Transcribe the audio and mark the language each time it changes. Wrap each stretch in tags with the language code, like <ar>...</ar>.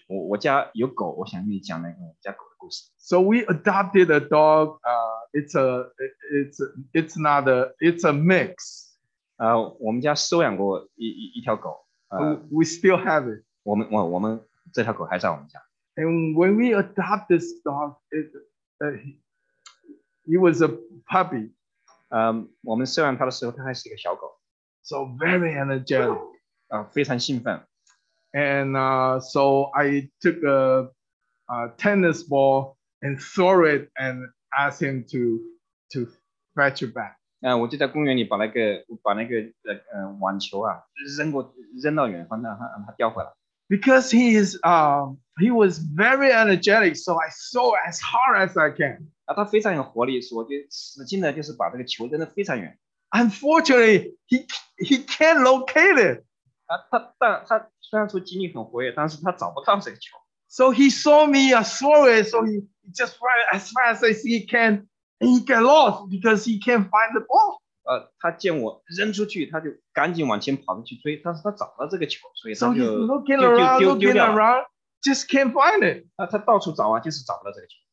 <zh>我家有狗，我想跟你讲那个家狗的故事。</zh> <en>So we adopted a dog it's a mix</en> <zh>我们家收养过 一条狗、</zh> <en>we still have it</en> <zh>我们这条狗还在我们家。</zh> <en>And when we adopt this dog he was a puppy</en> <zh>我们收养它的时候它还是一个小狗。</zh> <en>So very energetic.</en> <zh>非常兴奋。</zh> <en>And so I took a tennis ball and threw it and asked him to fetch it back.</en> <zh>我就在公园里把那个网球啊扔到远方，让它叼回来。</zh> <en>Because he is he was very energetic, so I threw as hard as I can.</en> <zh>他非常有活力，所以我就使劲的，就是把这个球扔得非常远。</zh> <en>Unfortunately, he can't locate it.</en> <zh>他虽然说精力很活跃，但是他找不到这个球。</zh> <en>So he saw me, I saw it, so he just ran as fast as he can, and he got lost because he can't find the ball.</en> <zh>他见我扔出去，他就赶紧往前跑着去追，但是他找到这个球，所以他就</zh> <en>So he's looking around, looking around, just can't find it.</en> <zh>他到处找啊，就是找不到这个球。</zh>